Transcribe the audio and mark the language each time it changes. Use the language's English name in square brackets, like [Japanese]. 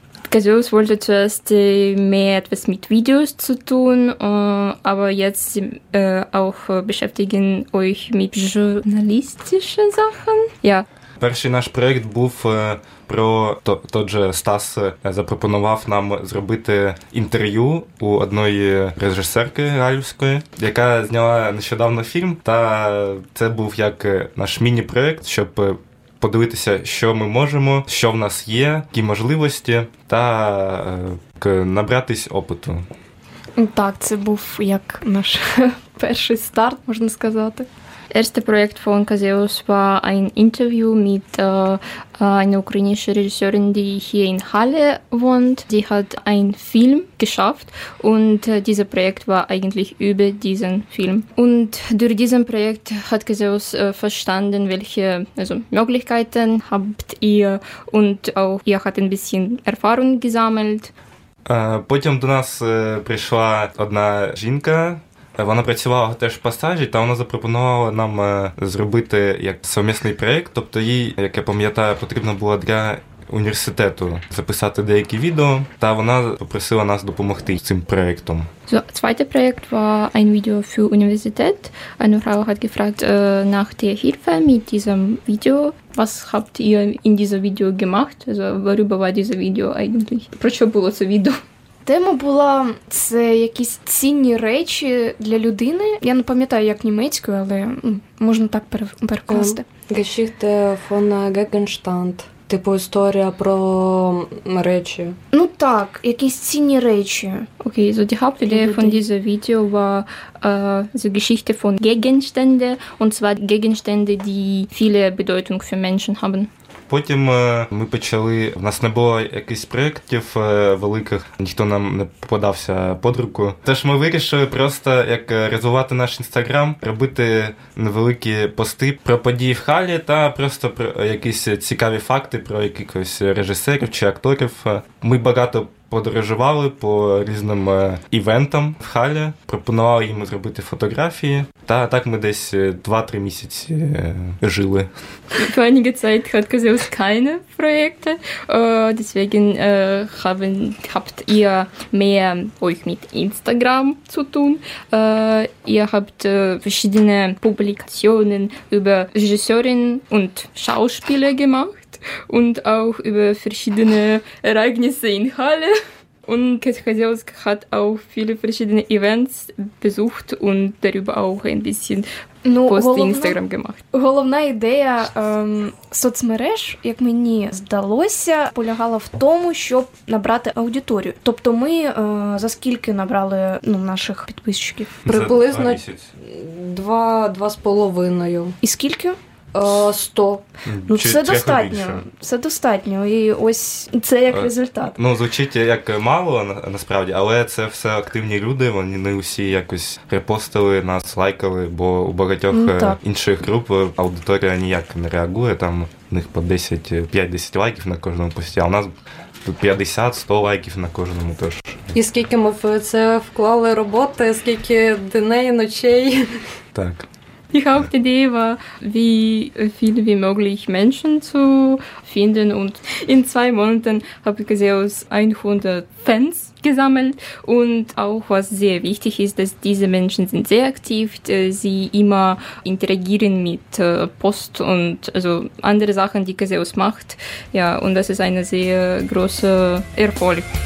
[German] Gaseus wollte zuerst mehr etwas mit Videos zu tun, aber jetzt auch beschäftigen euch mit journalistischen Sachen. Ja. [Ukrainian] Перший наш проєкт був про тот же Стас запропонував нам зробити інтерв'ю у одної режисерки галівської, яка зняла нещодавно фільм, та це був як наш міні-проєкт, щоб подивитися, що ми можемо, що в нас є, які можливості, та набратись опиту. Так, це був як наш перший старт, можна сказати. [German] Erste Projekt von Caseus war ein Interview mit einer ukrainischen Regisseurin, die hier in Halle wohnt. Sie hat einen Film geschafft und dieses Projekt war eigentlich über diesen Film. Und durch dieses Projekt hat Caseus verstanden, welche Möglichkeiten habt ihr und auch ihr habt ein bisschen Erfahrung gesammelt. [Ukrainian] Потім до нас прийшла одна жінка. Вона працювала теж в пасажі, та вона запропонувала нам зробити як совмісний проєкт, тобто їй, як я пам'ятаю, потрібно було для університету записати деякі відео, та вона попросила нас допомогти цим проєктом. [German] So, zweiter Projekt war ein Video für Universität. Eine Frau hat gefragt nach der Hilfe mit diesem Video. Was habt ihr in diesem Video gemacht? Also, worüber war dieses Video eigentlich? [Ukrainian] Про що було це відео? Тема була, це якісь цінні речі для людини. Я не пам'ятаю, як німецькою, але можна так перекласти. [German] Geschichte von Gegenstand. [Ukrainian] Типу історія про речі. Ну так, якісь цінні речі. [German] Окей, so die Hauptidee von diesem Video war die Geschichte von Gegenstände. Und zwar Gegenstände, die viele Bedeutung für Menschen haben. [Ukrainian] Потім ми почали, в нас не було якихось проєктів великих, ніхто нам не попадався під руку. Тож ми вирішили просто, як розвивати наш інстаграм, робити невеликі пости про події в Халі та просто про якісь цікаві факти про якихось режисерів чи акторів. Ми багато подорожували по різним івентам в Халі, пропонували їм зробити фотографії. Та так ми десь 2-3 місяці жили. [German] Für einige Zeit hat Caseus keine Projekte, deswegen habt ihr mehr euch mit Instagram zu tun. Ihr habt verschiedene Publikationen über Regisseurinnen und Schauspieler gemacht und auch über verschiedene Ereignisse in Halle. Und Caseus hat auch viele verschiedene Events besucht und darüber auch ein bisschen Instagram gemacht. [Ukrainian] Головна ідея соцмереж, як мені здалося, полягала в тому, щоб набрати аудиторію. Тобто ми за скільки набрали наших підписчиків? Приблизно 2-2.5. І скільки? 100. Ну, це достатньо. Це достатньо. І ось це як результат. Ну, звучить як мало, насправді, але це все активні люди, вони не усі якось репостили нас, лайкали, бо у багатьох інших груп аудиторія ніяк не реагує, там у них по 10-5-10 лайків на кожному пості, а у нас 50-100 лайків на кожному теж. І скільки ми в це вклали роботи, скільки дней, ночей. Так. [German] Die Hauptidee war, wie viel wie möglich Menschen zu finden und in 2 Monaten habe ich gesehen, aus 100 Fans gesammelt und auch was sehr wichtig ist, dass diese Menschen sind sehr aktiv, sie immer interagieren mit Post und also andere Sachen, die Caseus macht, ja, und das ist ein sehr großer Erfolg.